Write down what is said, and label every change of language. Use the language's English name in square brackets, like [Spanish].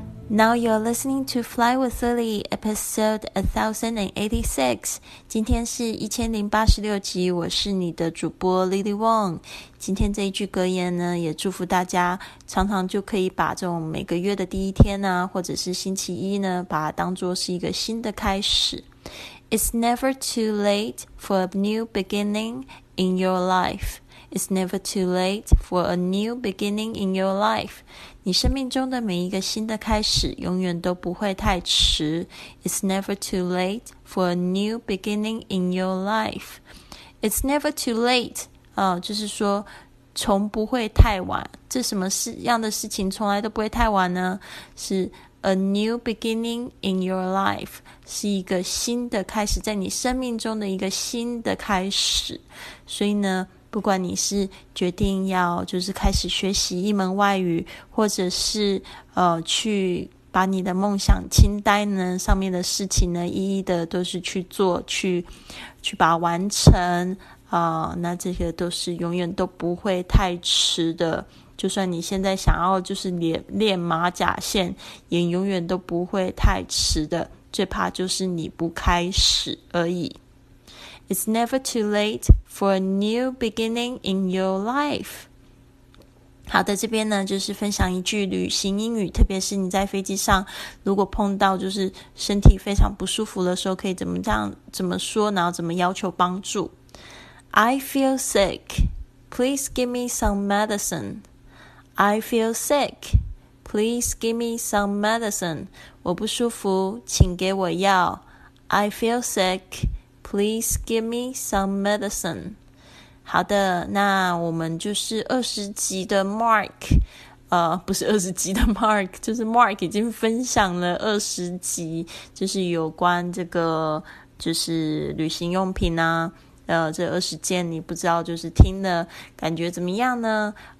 [English] Now you're listening to Fly with Lily, episode 1086. [Chinese] 今天是1086集，我是你的主播 Lily Wong。今天这一句格言呢，也祝福大家常常就可以把这种每个月的第一天啊，或者是星期一呢，把它当作是一个新的开始。 [English] It's never too late for a new beginning in your life. It's never too late for a new beginning in your life. [Chinese] 你生命中的每一个新的开始永远都不会太迟。 [English] It's never too late for a new beginning in your life. It's never too late、 [Chinese] 就是说从不会太晚，这什么事样的事情从来都不会太晚呢？是 [English] a new beginning in your life， [Chinese] 是一个新的开始，在你生命中的一个新的开始。所以呢，不管你是决定要就是开始学习一门外语，或者是去把你的梦想清单呢上面的事情呢一一的都是去做，去把它完成，那这些都是永远都不会太迟的。就算你现在想要就是练马甲线，也永远都不会太迟的，最怕就是你不开始而已。 It's never too late for a new beginning in your life. 好的，这边呢就是分享一句旅行英语，特别是你在飞机上如果碰到就是身体非常不舒服的时候，可以怎么这样怎么说，然后怎么要求帮助。 [English] I feel sick. Please give me some medicine. I feel sick. Please give me some medicine. [Chinese] 我不舒服，请给我药。 [English] I feel sick. Please give me some medicine. [Chinese] 好的，那我们就是20集的 Mark， 不是20集的 Mark， 就是 Mark 已经分享了20集，就是有关这个就是旅行用品啊，这20件你不知道就是听的感觉怎么样呢？